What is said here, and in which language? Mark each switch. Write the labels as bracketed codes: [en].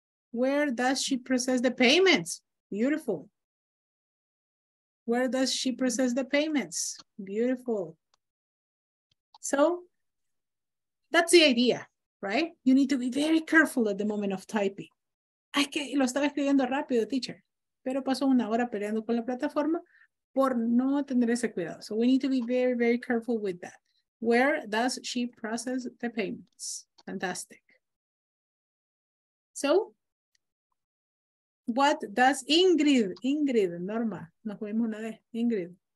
[en] Where does she process the payments? Beautiful. Where does she process the payments? Beautiful. So that's the idea, right? You need to be very careful at the moment of typing. [es] Ay, que lo estaba escribiendo rápido, teacher. Pero pasó una hora peleando con la plataforma por no tener ese cuidado. [en] So we need to be very, very careful with that. Where does she process the payments? Fantastic. So, what does [es] Ingrid, Ingrid, Norma, nos vemos una vez, Ingrid.